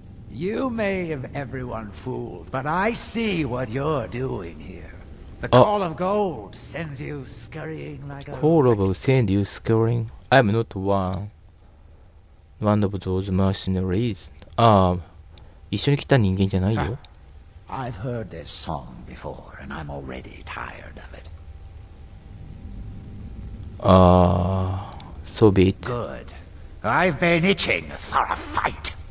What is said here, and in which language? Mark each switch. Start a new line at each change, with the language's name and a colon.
English: You may have everyone fooled, but I see what you're doing here. The call of gold sends you scurrying like a... Call of gold sends you scurrying? I'm not one of those mercenaries.
Japanese: Ah, 一緒に来た人間じゃないよ。
English: I've heard this song before, and I'm already tired of it. So be it. Good. I've been itching for a fight.